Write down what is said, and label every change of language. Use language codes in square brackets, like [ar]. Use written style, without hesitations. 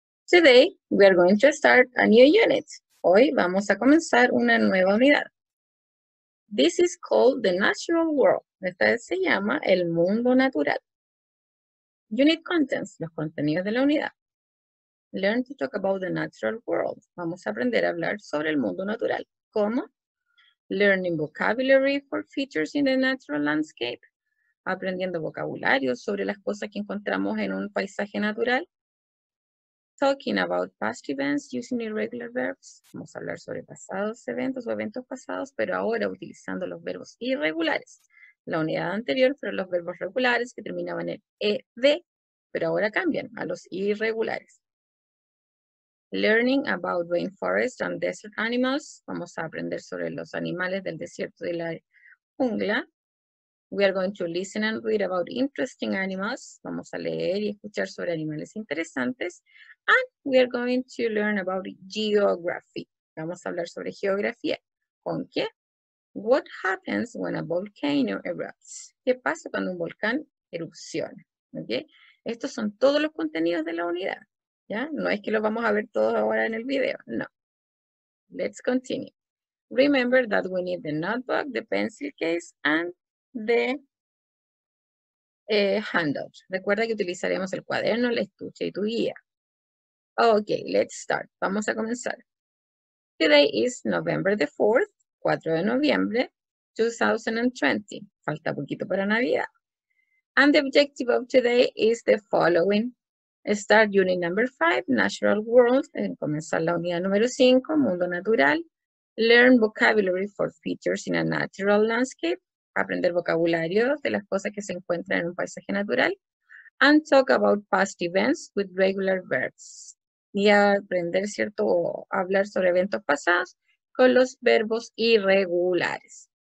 [en] Today, we are going to start a new unit. [es] Hoy vamos a comenzar una nueva unidad. [en] This is called the natural world. [es] Esta se llama el mundo natural. [en] Unit contents, [es] los contenidos de la unidad. [en] Learn to talk about the natural world. [es] Vamos a aprender a hablar sobre el mundo natural. ¿Cómo? [en] Learning vocabulary for features in the natural landscape. [es] Aprendiendo vocabulario sobre las cosas que encontramos en un paisaje natural. [en] Talking about past events using irregular verbs. [es] Vamos a hablar sobre pasados eventos o eventos pasados, pero ahora utilizando los verbos irregulares. La unidad anterior fueron los verbos regulares que terminaban en ed, pero ahora cambian a los irregulares. [en] Learning about rainforest and desert animals. [es] Vamos a aprender sobre los animales del desierto de la jungla. [en] We are going to listen and read about interesting animals. [es] Vamos a leer y escuchar sobre animales interesantes. [en] And we are going to learn about geography. [es] Vamos a hablar sobre geografía. ¿Con qué? [en] What happens when a volcano erupts? [es] ¿Qué pasa cuando un volcán erupciona? ¿Okay? Estos son todos los contenidos de la unidad. ¿Ya? No es que los vamos a ver todos ahora en el video. [en] No. Let's continue. Remember that we need the notebook, the pencil case, and the handout. [es] Recuerda que utilizaremos el cuaderno, el estuche y tu guía. [en] Okay, let's start. [es] Vamos a comenzar. [en] Today is November the 4th, [es] 4 de noviembre, [en] 2020. [es] Falta poquito para Navidad. [en] And the objective of today is the following. Start unit number 5, natural world. [es] Comenzar la unidad número 5, mundo natural. [en] Learn vocabulary for features in a natural landscape. [es] Aprender vocabulario de las cosas que se encuentran en un paisaje natural. [en] And talk about past events with regular verbs. [es] Y aprender, ¿cierto?, o hablar sobre eventos pasados con los verbos irregulares.